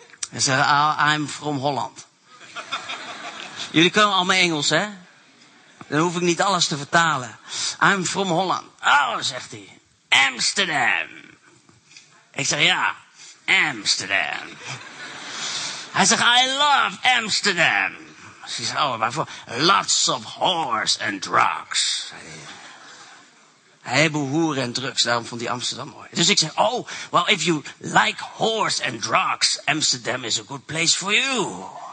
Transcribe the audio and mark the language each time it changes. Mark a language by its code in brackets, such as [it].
[nl] Hij zegt, [en] I'm from Holland. [nl] Jullie kunnen allemaal Engels, hè? Dan hoef ik niet alles te vertalen. [en] I'm from Holland. [nl] Oh, zegt hij, Amsterdam. Ik zeg, ja, Amsterdam. Hij zegt, [en] I love Amsterdam. [nl] Ze zei, oh, waarvoor? [en] Lots of whores and drugs. [nl] Hij heeft hoeren en drugs, daarom vond hij Amsterdam mooi. Dus ik zei, [en] oh, well, if you like whores and drugs, Amsterdam is a good place for you.